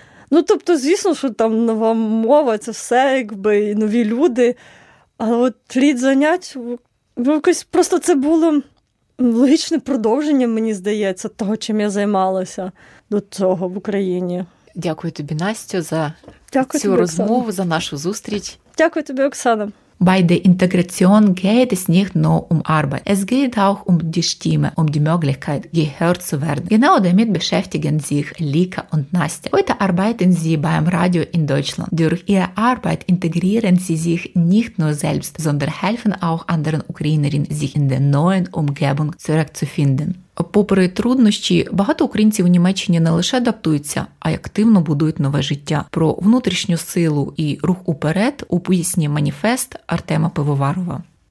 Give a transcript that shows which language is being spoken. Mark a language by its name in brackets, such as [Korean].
[Ukrainian] Ну, тобто, звісно, що там нова мова, це все, якби, і нові люди. А от рід занять, якось просто це було логічне продовження, мені здається, того, чим я займалася до цього в Україні. Дякую тобі, Настю, за Дякую цю тобі, розмову, Оксана. За нашу зустріч. Дякую тобі, Оксана. [German] Bei der Integration geht es nicht nur Arbeit. Es geht auch die Stimme, die Möglichkeit, gehört zu werden. Genau damit beschäftigen sich Lika und Nastja. Heute arbeiten sie beim Radio in Deutschland. Durch ihre Arbeit integrieren sie sich nicht nur selbst, sondern helfen auch anderen Ukrainerinnen, sich in der neuen Umgebung zurückzufinden. [Ukrainian] Попри труднощі, багато українців у Німеччині не лише адаптуються, а й активно будують нове життя. Про внутрішню силу і рух уперед у поясні «Маніфест» Артема Пивоварова.